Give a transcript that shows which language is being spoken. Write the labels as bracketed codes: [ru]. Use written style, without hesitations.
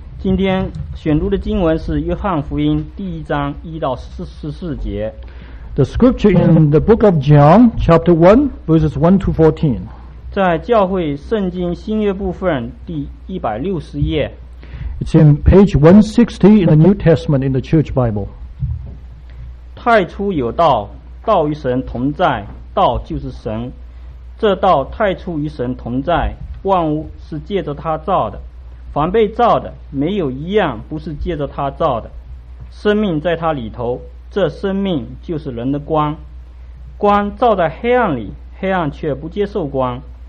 [zh] 今天选读的经文是约翰福音第一章一到十四节。 [en] The scripture in the book of John, chapter 1, verses 1 to 14. [zh] 在教会圣经新约部分第160页。 [en] It's in page 160 in the New Testament in the Church Bible. [zh] 太初有道，道与神同在，道就是神，这道太初与神同在，万物是借着他造的，凡被造的没有一样不是借着他造的。生命在他里头，这生命就是人的光，光照在黑暗里，黑暗却不接受光。